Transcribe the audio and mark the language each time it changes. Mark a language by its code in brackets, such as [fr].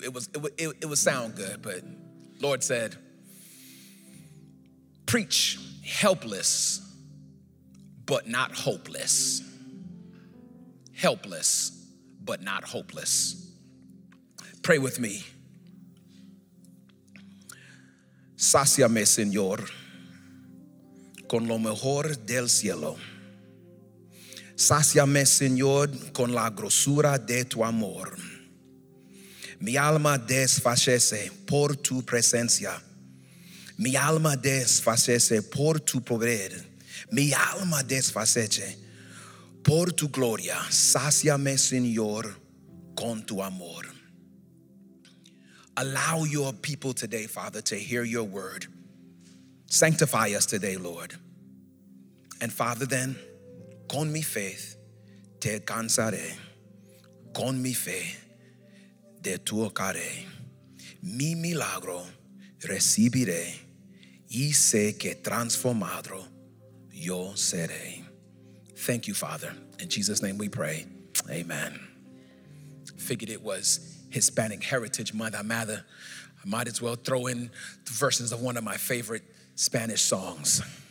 [en] It was sound good, but Lord said, preach helpless, but not hopeless. Helpless, but not hopeless. Pray with me. [es] Sáciame, Señor, con lo mejor del cielo. Sáciame, Señor, con la grosura de tu amor. Mi alma desfallece por tu presencia. Mi alma desfallece por tu poder. Mi alma desfallece por tu gloria. Sáciame, Señor, con tu amor. [en] Allow your people today, Father, to hear your word. Sanctify us today, Lord. And Father, then, [es] con mi fe, te cansaré. Con mi fe, de tu ocaré. Mi milagro recibiré. Y sé que transformado yo seré. [en] Thank you, Father. In Jesus' name we pray. Amen. Figured it was Hispanic heritage, Mother Mather. I might as well throw in the verses of one of my favorite Spanish songs.